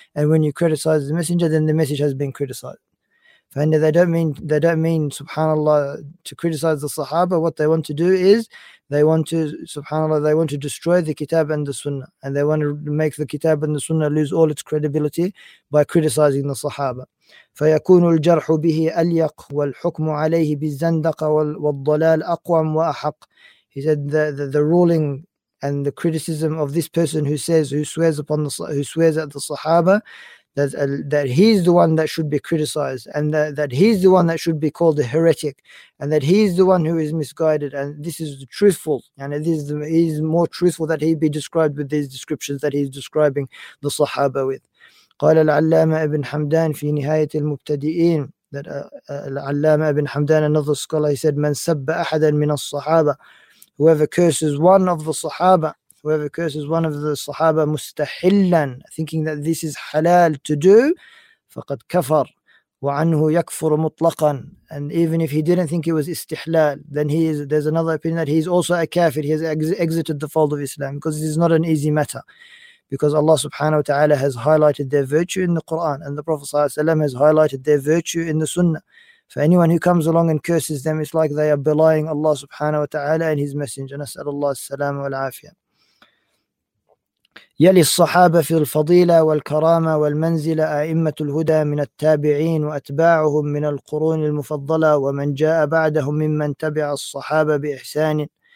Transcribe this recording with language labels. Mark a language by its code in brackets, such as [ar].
[en] And when you criticize the Messenger, then the message has been criticized. And they don't mean subhanAllah to criticize the Sahaba. What they want to do is they want to destroy the Kitab and the Sunnah, and they want to make the Kitab and the Sunnah lose all its credibility by criticizing the Sahaba. [ar] فيكون الجرح به أليق والحكم عليه بالزندقة والضلال أقوم وأحق. [en] He said the ruling and the criticism of this person who swears at the Sahaba. That he's the one that should be criticized, and that he's the one that should be called a heretic, and that he's the one who is misguided, and this is the truthful, and he's more truthful that he be described with these descriptions that he's describing the Sahaba with. [ar] قال العلامة ابن حمدان في نهاية المبتدئين. [en] That العلامة ابن حمدان, another scholar, he said, [ar] من سب أحدا من الصحابة, [en] whoever curses one of the Sahaba mustahillan, thinking that this is halal to do, [ar] فقد كفر وعنه يكفر مطلقا. [en] And even if he didn't think it was istihlal, then there's another opinion that he's also a kafir, he has exited the fold of Islam, because this is not an easy matter, because Allah subhanahu wa ta'ala has highlighted their virtue in the Quran, and the Prophet sallallahu alaihi wasallam has highlighted their virtue in the Sunnah. For anyone who comes along and curses them, it's like they are belying Allah subhanahu wa ta'ala and his messenger. [ar] نسأل الله السلام والعافية. يلي الصحابة في الفضيلة والكرامة والمنزلة أئمة الهدى من التابعين وأتباعهم من القرون المفضلة ومن جاء بعدهم ممن تبع الصحابة بإحسان.